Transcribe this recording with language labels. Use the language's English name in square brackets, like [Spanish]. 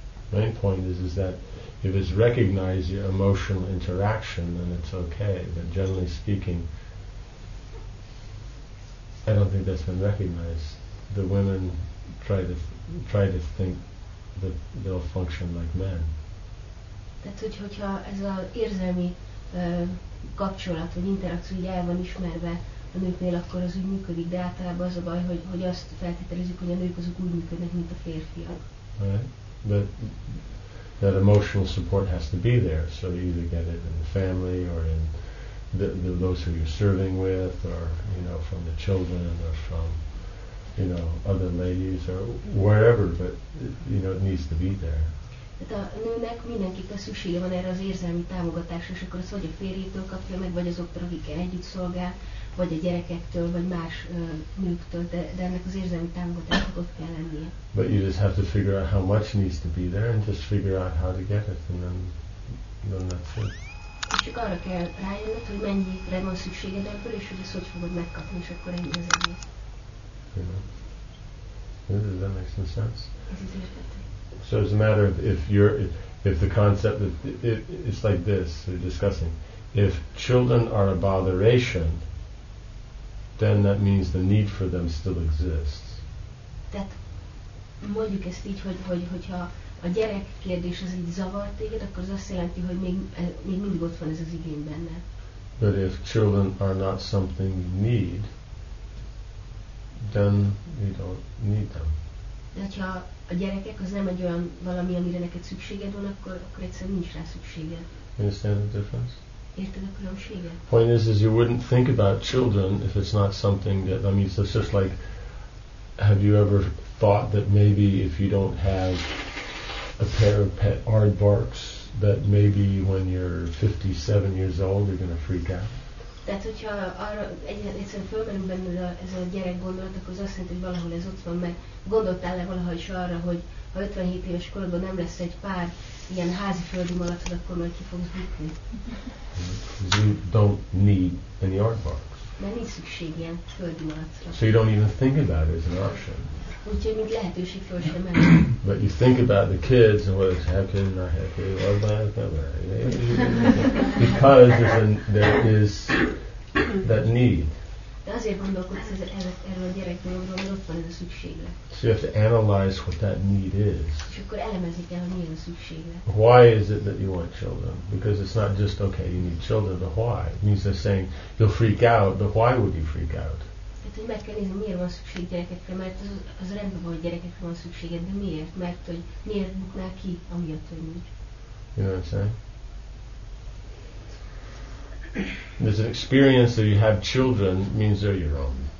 [English] Main point is that if it's recognized your emotional interaction, then it's okay. But generally speaking, I don't think that's been recognized. The women try to think that they'll function like men. [Hungarian] Tehát, hogyha ez az érzelmi kapcsolat vagy interakció így el van ismerve a nőknél, akkor az úgy működik. De általában az a baj, hogy azt feltételezzük, hogy a nők azok úgy működnek, mint a férfiak. [English] Right. That emotional support has to be there, so you either get it in the family or in the those who you're serving with, or you know, from the children or from, you know, other ladies or wherever. But you know, it needs to be there. [Hungarian] Tehát a nőnek mindenképpen szüksége van erre az érzelmi támogatásra, és akkor az vagy a férjétől kapja meg, vagy azoktól, akikkel együtt szolgál, vagy a gyerekektől, vagy más nőktől, de ennek az érzelmi támogatásnak ott kell lennie. [English] But you just have to figure out how much needs to be there, and just figure out how to get it, and then that's it. [Hungarian] Csak arra kell rájönnöd, hogy mennyire van szükséged ebből, és hogy ezt hogy fogod megkapni, és akkor ennyi az egész. [English] Does that make some sense? So it's a matter of if the concept that it's like this we're discussing. If children are a botheration, then that means the need for them still exists. [Hungarian] Tehát mondjuk ezt így, hogyha a gyerek kérdés az így zavar téged, akkor az azt jelenti, hogy még mindig ott van ez az igény benne. [English] But if children are not something you need, then you don't need them. [Hungarian] De hogyha a gyerekek az nem egy olyan valami, amire neked szükséged van, akkor egyszerűen nincs rá szükséged. [English] Understand the difference? Point is you wouldn't think about children if it's not something that, I mean, it's just like, have you ever thought that maybe if you don't have a pair of pet aardvarks, that maybe when you're 57 years old, you're going to freak out? [Hungarian] Tehát, hogyha arra egyszerűen fölmerül bennül ez a gyerek gondolat, akkor az azt jelenti, hogy valahol ez ott van, mert gondoltál-e valahogy is arra, hogy ha 57 éves korodban nem lesz egy pár ilyen házi földi malacod, akkor majd ki fogsz bukni. [English] You don't need any art box. [Hungarian] Mert nincs szükség ilyen földi malacra. [English] So you don't even think about it as an option. [Hungarian] Úgyhogy mint lehetőség föl sem el. [English] But you think about the kids and whether it's happy or not happy, or not happy. Because there is that need. [Hungarian] De azért gondolkodsz erről a gyerek dologról, mert ott van ez a szükséglet. [English] So you have to analyze what that need is. [Hungarian] És akkor elemezik el, hogy mi ez a szükséglet. [English] Why is it that you want children? Because it's not just, okay, you need children, but why? It means they're saying, you'll freak out, but why would you freak out? [Hungarian] Tehát, hogy meg kell nézni, miért van szükség gyerekekre, mert az rendben van, hogy gyerekekre van szükséged, de miért? Mert hogy miért buknál ki, amiatt, hogy nincs. [English] You know what I'm saying? There's an experience that you have children means they're your own.